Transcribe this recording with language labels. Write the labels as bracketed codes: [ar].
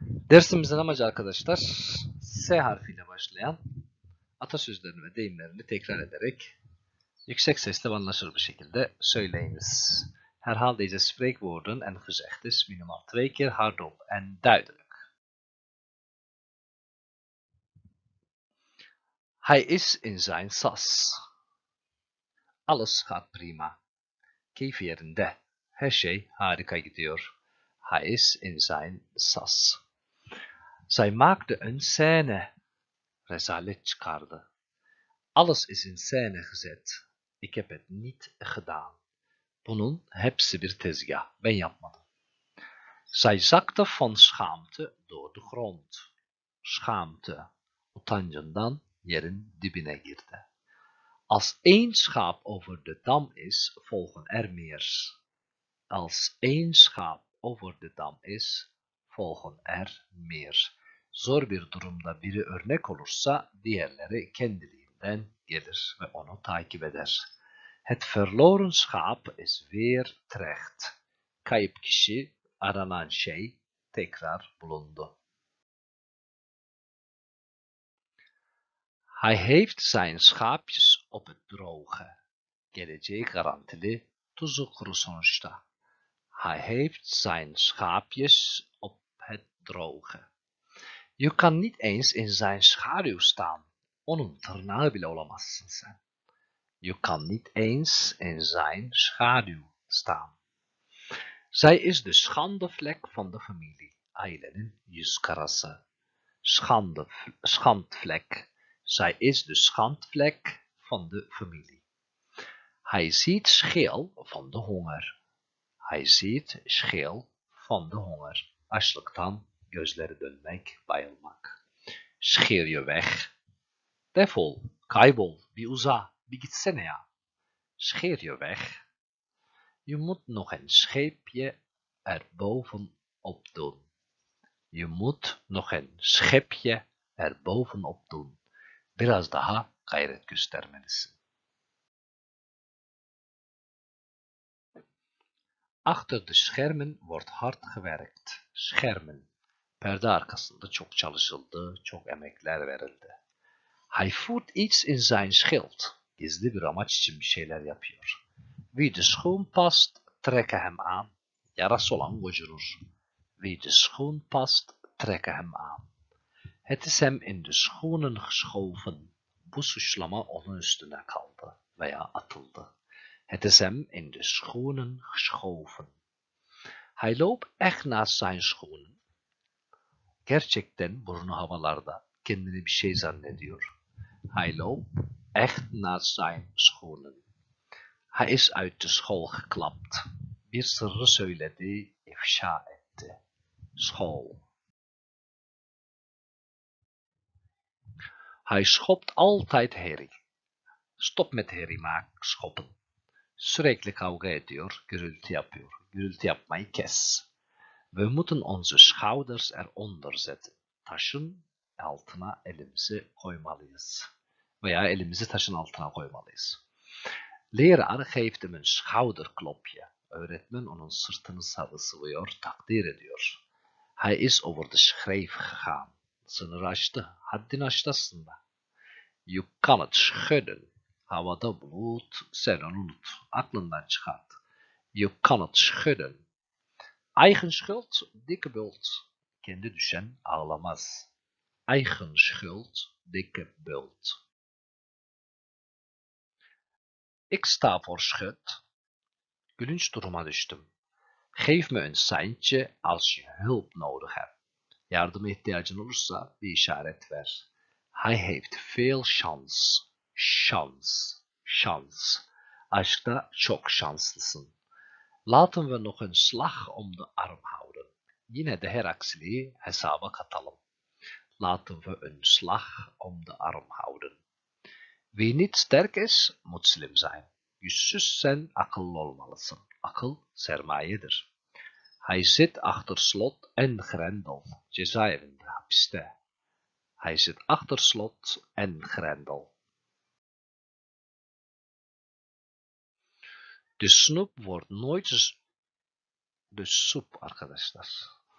[tr] Dersimizin amacı arkadaşlar, S harfiyle başlayan atasözlerini ve deyimlerini tekrar ederek yüksek sesle anlaşılır bir şekilde söyleyiniz. [nl] Herhalde ise spreekwoorden en gezegdes minimaal twee keer hardop en duidelijk. Hij is in zijn sas. Alles gaat prima. [tr] Keyfi yerinde. Her şey harika gidiyor. [nl] Hij is in zijn sas. Zij maakte een scène. [tr] Rezalet çıkardı. [nl] Alles is in scène gezet. Ik heb het niet gedaan. [tr] Bunun hepsi bir tezgah. Ben yapmadım. [nl] Zij zakte van schaamte door de grond. Schaamte. [tr] Utancından yerin dibine girdi. [nl] Als één schaap over de dam is, volgen er meer. Als één schaap over de dam is, volgen er meer. [tr] Zor bir durumda biri örnek olursa, diğerleri kendiliğinden gelir ve onu takip eder. [nl] Het verloren schaap is weer terecht. [tr] Kayıp kişi, aranan şey, tekrar bulundu. [nl] Hij heeft zijn schaapjes op het droge. [tr] Geleceği garantili, tuzu kuru sonuçta. [nl] Hij heeft zijn schaapjes op het droge. Je kan niet eens in zijn schaduw staan. [tr] Onun tırnağı bile olamazsın sen. [nl] Je kan niet eens in zijn schaduw staan. Zij is de schandvlek van de familie. [tr] Ailenin yüzkarası. [nl] Schandvlek. Zij is de schandvlek van de familie. Hij ziet scheel van de honger. Hij ziet scheel van de honger. [tr] Açlıktan gözleri dönmek, bayılmak. [nl] Scheel je weg. [tr] Defol, kaybol, bir uzağa, bir gitsene ya. [nl] Scheer je weg. Je moet nog een scheepje erbovenop doen. Je moet nog een scheepje erbovenop doen. [tr] Biraz daha gayret göstermelisin. [nl] Achter de schermen wordt hard gewerkt. Schermen. [tr] Perde arkasında çok çalışıldı, çok emekler verildi. [nl] Hij voert iets in zijn schild. [tr] Gizli bir amaç için bir şeyler yapıyor. [nl] Wie de schoen past, trekke hem aan. [tr] Yarası olan gocunur. [nl] Wie de schoen past, trekke hem aan. Het is hem in de schoenen geschoven. [tr] Bu suçlama onun üstüne kaldı veya atıldı. [nl] Het is hem in de schoenen geschoven. Hij loopt echt naast zijn schoenen. [tr] Gerçekten burnu havalarda. Kendini bir şey zannediyor. [nl] Hij loopt echt naast zijn schoenen. Hij is uit de school geklapt. [tr] Bir sırrı söyledi, ifşa etti. [nl] School. Hij schopt altijd herrie. Stop met herrie maken, schoppen. [tr] Sürekli kavga ediyor, gürültü yapıyor. Gürültü yapmayı kes. [nl] We moeten onze schouders eronder zetten. [tr] Taşın altına elimizi koymalıyız. Veya elimizi taşın altına koymalıyız. [nl] Leraar geeft hem een schouderklopje. [tr] Öğretmen onun sırtını sıvıyor, takdir ediyor. [nl] Hij is over de schreef gegaan. [tr] Sınır açtı, haddini açtı aslında. [nl] You kan het schudden. [tr] Havada bulut, sen onu unut. Aklından çıkart. [nl] You kan het schudden. Eigen schuld, dikke bult. [tr] Kendi düşen ağlamaz. [nl] Eigen schuld, dikke bult. Ik sta voor schut. [tr] Gülünç duruma düştüm. [nl] Geef me een seintje als je hulp nodig hebt. [tr] Yardım ihtiyacın olursa bir işaret ver. [nl] Hij heeft veel şans. [tr] Şans. Şans. Aşkta çok şanslısın. [nl] Laten we nog een slag om de arm houden. [tr] Yine de Herakli'yi hesaba katalım. [nl] Laten we een slag om de arm houden. Wie niet sterk is, moet slim zijn. [tr] Yüzsüzsen akıllı olmalısın. Akıl sermayedir. [nl] Hij zit achter slot en grendel. [tr] Cezaevinde, hapiste. [nl] Hij zit achter slot en grendel. De snoep wordt nooit de soep, arkadaşlar.